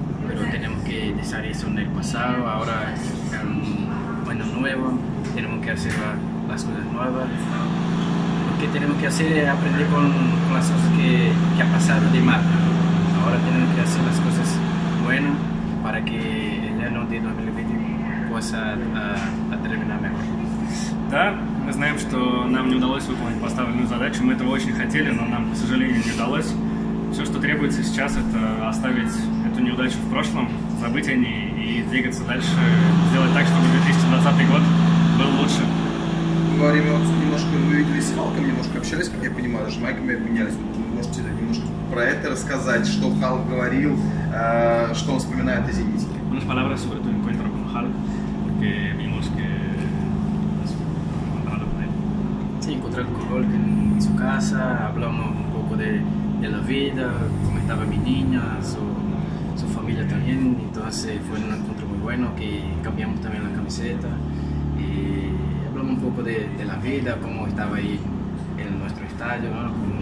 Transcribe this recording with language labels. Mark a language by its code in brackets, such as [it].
[es] Pero tenemos que dejar eso en el pasado, ahora es un año nuevo, tenemos que hacer las cosas nuevas. Lo que tenemos que hacer es aprender con las cosas que ha pasado de mal. Ahora tenemos que hacer las cosas buenas para que el año de 2020 pueda terminar mejor. [ru] Да, мы знаем, что нам не удалось выполнить поставленную задачу. Мы этого очень хотели, но нам, к сожалению, не удалось. Все, что требуется сейчас, это оставить эту неудачу в прошлом, забыть о ней и двигаться дальше, сделать так, чтобы 2020 год был лучше. Говорим немножко, мы виделись с Фалком, немножко общались. общались, как я понимаю, даже майками обменялись. Вот, можете немножко про это рассказать, что Халк говорил, что он вспоминает о Зените? [es] Unas palabras sobre tu encuentro con Hulk, porque vimos que has encontrado con él. Sí, encontré con Hulk en su casa, hablamos un poco de la vida, comentaba mi niña, su familia también, entonces fue un encuentro muy bueno, que cambiamos también la camiseta, y hablamos un poco de la vida, cómo estaba ahí en nuestro estadio, ¿no?